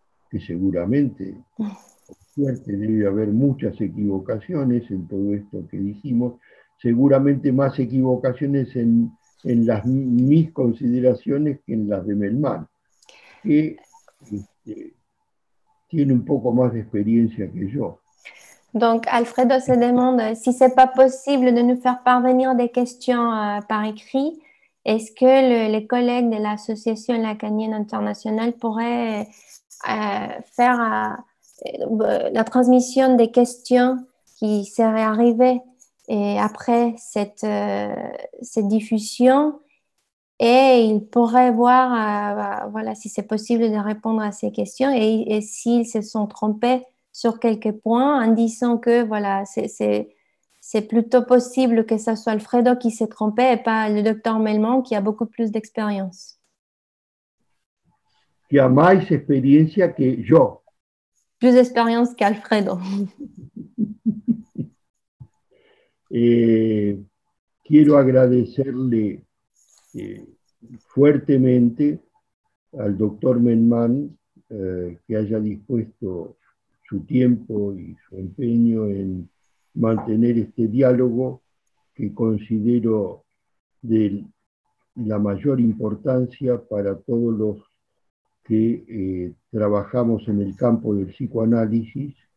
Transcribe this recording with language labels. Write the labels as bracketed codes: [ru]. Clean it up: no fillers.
[es] Que seguramente, por suerte, debe haber muchas equivocaciones en todo esto que dijimos, seguramente más equivocaciones en las mis consideraciones que en las de Melman, que tiene un poco más de experiencia que yo. [fr] Donc Alfredo se demande si c'est pas possible de nous faire parvenir des questions par écrit. Est-ce que les collègues de l'association lacanienne internationale pourraient faire la transmission des questions qui seraient arrivées et après cette diffusion, et ils pourraient voir voilà, si c'est possible de répondre à ces questions et s'ils se sont trompés sur quelques points en disant que voilà, c'est plutôt possible que ce soit Alfredo qui s'est trompé et pas le docteur Melman qui a beaucoup plus d'expérience. Qui a plus d'expérience que je. Plus d'expérience qu'Alfredo. [es] quiero agradecerle fuertemente al doctor Melman que haya dispuesto su tiempo y su empeño en mantener este diálogo que considero de la mayor importancia para todos los que trabajamos en el campo del psicoanálisis